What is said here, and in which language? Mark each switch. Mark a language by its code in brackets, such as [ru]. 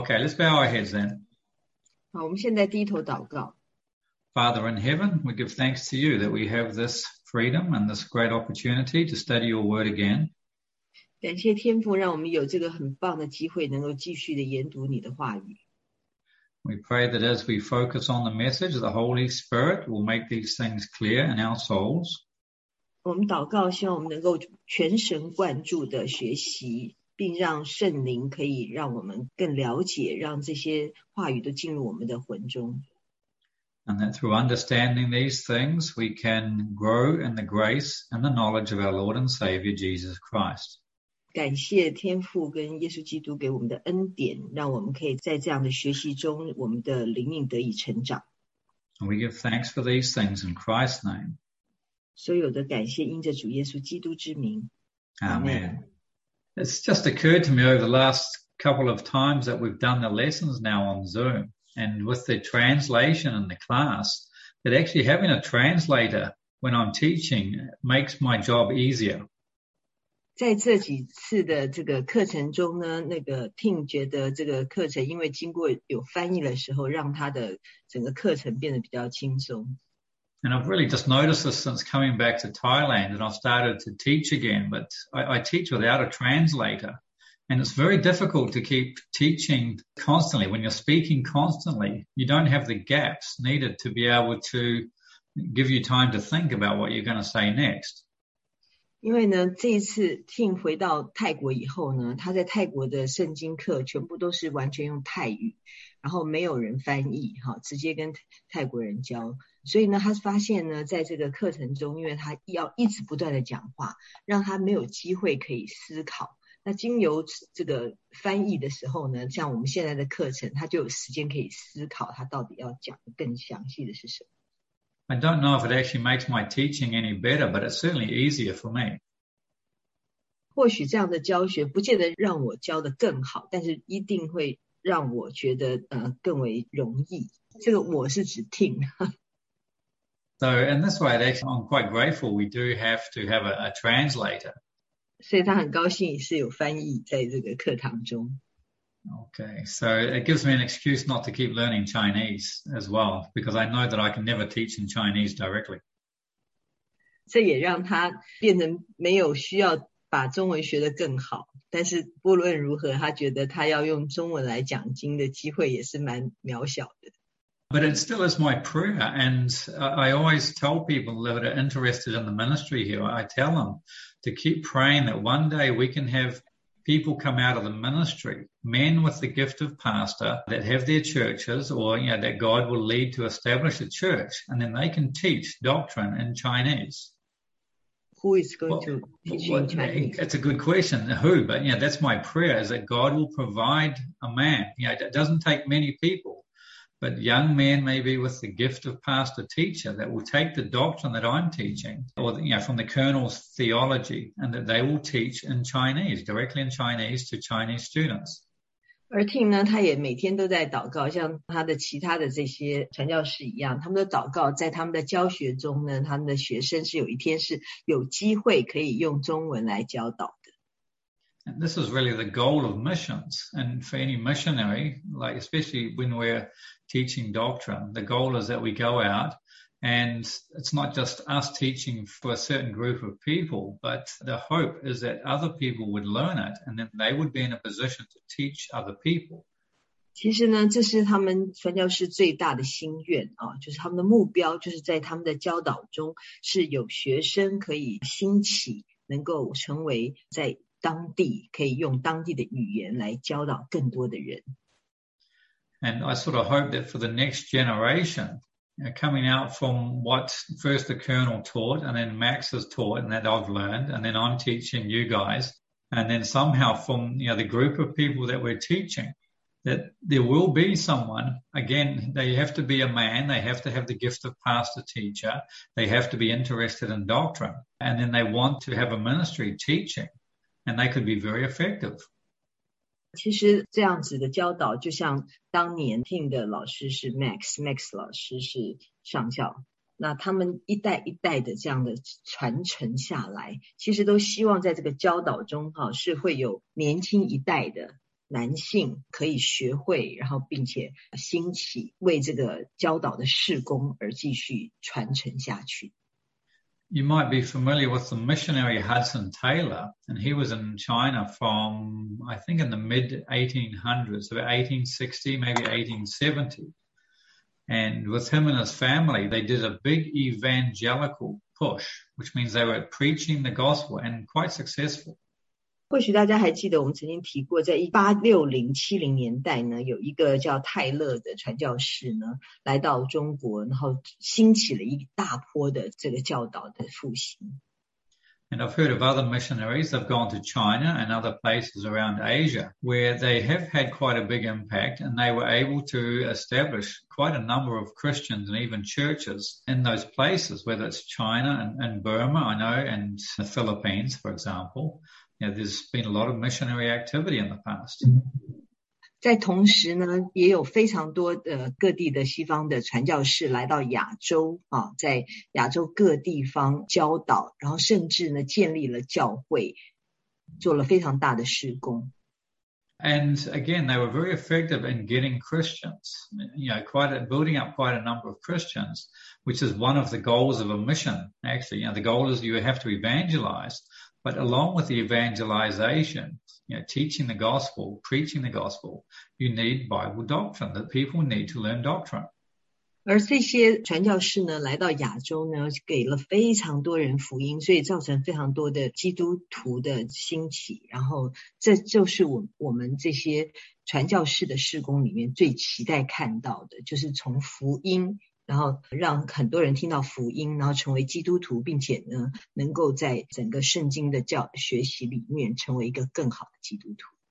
[en] Okay, let's bow our heads then. [zh] 好，我们现在低头祷告。 [en] Father in heaven, we give thanks to you that we have this freedom and this great opportunity to study your word again. [zh] 感谢天父，让我们有这个很棒的机会，能够继续的研读你的话语。 [en] We pray that as we focus on the message, the Holy Spirit will make these things clear in our souls. [zh] 我们祷告，希望我们能够全神贯注的学习，并让圣灵可以让我们更了解，让这些话语都进入我们的魂中。 [en] And that through understanding these things, we can grow in the grace and the knowledge of our Lord and Savior, Jesus Christ. [zh] 感谢天父跟耶稣基督给我们的恩典，让我们可以在这样的学习中，我们的灵命得以成长。 [en] And we give thanks for these things in Christ's name. [zh] 所有的感谢因着主耶稣基督之名。 [en] Amen. It's just occurred to me over the last couple of times that we've done the lessons now on Zoom. And with the translation in the class, that actually having a translator when I'm teaching makes my job easier. [zh] 在这几次的这个课程中呢，那个 Tim 觉得这个课程因为经过有翻译的时候，让他的整个课程变得比较轻松。 [en] And I've really just noticed this since coming back to Thailand, and I've started to teach again, but I teach without a translator. And it's very difficult to keep teaching constantly. When you're speaking constantly, you don't have the gaps needed to be able to give you time to think about what you're going to say next. [zh] 因为呢，这一次 Tim 回到泰国以后呢，他在泰国的圣经课全部都是完全用泰语，然后没有人翻译，哈，直接跟泰国人教。所以呢，他发现呢，在这个课程中，因为他要一直不断的讲话，让他没有机会可以思考。那经由这个翻译的时候呢，像我们现在的课程，他就有时间可以思考他到底要讲的更详细的是什么。 [en] I don't know if it actually makes my teaching any better, but it's certainly easier for me. [zh] 或许这样的教学不见得让我教得更好，但是一定会让我觉得更为容易。这个我是指听。 [en] So in this way, actually, I'm quite grateful we do have to have a translator. [zh] 所以他很高兴是有翻译在这个课堂中。 [en] Okay, so it gives me an excuse not to keep learning Chinese as well, because I know that I can never teach in Chinese directly. [zh] 这也让他变成没有需要把中文学得更好，但是不论如何，他觉得他要用中文来讲经的机会也是蛮渺小的。 [en] But it still is my prayer, and I always tell people that are interested in the ministry here, I tell them,to keep praying that one day we can have people come out of the ministry, men with the gift of pastor that have their churches or you know, that God will lead to establish a church and then they can teach doctrine in Chinese. Who is going to teach in Chinese? That's a good question. Who? But you know, that's my prayer is that God will provide a man. You know, it doesn't take many people, but young men maybe with the gift of pastor teacher that will take the doctrine that I'm teaching or you know, from the colonel's theology and that they will teach in Chinese, directly in Chinese to Chinese students. [zh] 而 Tim 呢他也每天都在祷告像他的其他的这些传教士一样他们的祷告在他们的教学中呢他们的学生是有一天是有机会可以用中文来教导。 [en] And this is really the goal of missions. And for any missionary, like especially when we're teaching doctrine, the goal is that we go out and it's not just us teaching for a certain group of people, but the hope is that other people would learn it and that they would be in a position to teach other people. [zh] 其实呢，这是他们传教士最大的心愿啊，就是他们的目标，就是在他们的教导中是有学生可以兴起，能够成为在当地可以用当地的语言来教导更多的人。 [en] And I sort of hope that for the next generation, you know, coming out from what first the colonel taught and then Max has taught and that I've learned and then I'm teaching you guys and then somehow from you know, the group of people that we're teaching, that there will be someone, again, they have to be a man, they have to have the gift of pastor teacher, they have to be interested in doctrine and then they want to have a ministry teaching. And they could be very effective. [zh] 其实这样子的教导就像当年 Tim 的老师是 Max 老师是上校那他们一代一代的这样的传承下来其实都希望在这个教导中是会有年轻一代的男性可以学会，然后并且兴起为这个教导的事工而继续传承下去。 [en] You might be familiar with the missionary Hudson Taylor, and he was in China from, I think, in the mid-1800s, about 1860, maybe 1870. And with him and his family, they did a big evangelical push, which means they were preaching the gospel and quite successful. [zh] 或许大家还记得我们曾经提过，在1860-70年代呢，有一个叫泰勒的传教士呢，来到中国，然后兴起了一大波的这个教导的复兴。 [en] And I've heard of other missionaries that have gone to China and other places around Asia, where they have had quite a big impact, and they were able to establish quite a number of Christians and even churches in those places, whether it's China and Burma, I know, and the Philippines, for example. You know, there's been a lot of missionary activity in the past. [zh] 在同时呢，也有非常多的各地的西方的传教士来到亚洲啊，在亚洲各地方教导，然后甚至呢建立了教会，做了非常大的事工。 [en] And again, they were very effective in getting Christians, you know, building up quite a number of Christians, which is one of the goals of a mission. Actually, you know, the goal is you have to evangelize, but along with the evangelization,You know, teaching the gospel, preaching the gospel, you need Bible doctrine, that people need to learn doctrine. [zh] 而这些传教士呢，来到亚洲呢，给了非常多人福音，所以造成非常多的基督徒的兴起，然后这就是我们这些传教士的事工里面最期待看到的，就是从福音，然后让很多人听到福音，然后成为基督徒，并且呢，能够在整个圣经的教学习里面成为一个更好的基督徒。